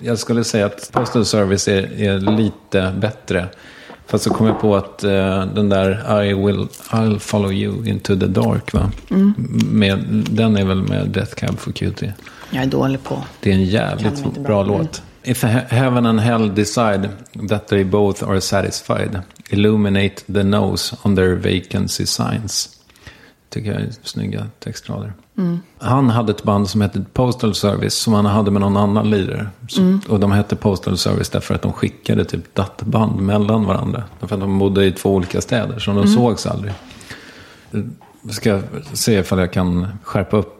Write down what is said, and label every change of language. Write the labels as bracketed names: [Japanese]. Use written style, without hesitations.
[Swedish] Jag skulle säga att Postal Service är lite bättre. Fast så kommer jag på att den där I'll Follow You Into the Dark, va? Mm. Med, den är väl med Death Cab for Cutie. Jag är dålig på. Det är en jävligt bra låt. [English] If heaven and hell decide that they both are satisfied, illuminate the nose on their vacancy signs. [Swedish] Tycker jag är snygga textrader. Mm. Han hade ett band som hette Postal Service som han hade med någon annan lirare. Mm. Och de hette Postal Service därför att de skickade typ dattband mellan varandra. För att de bodde i två olika städer som de sågs aldrig. Ska se ifall jag kan skärpa upp.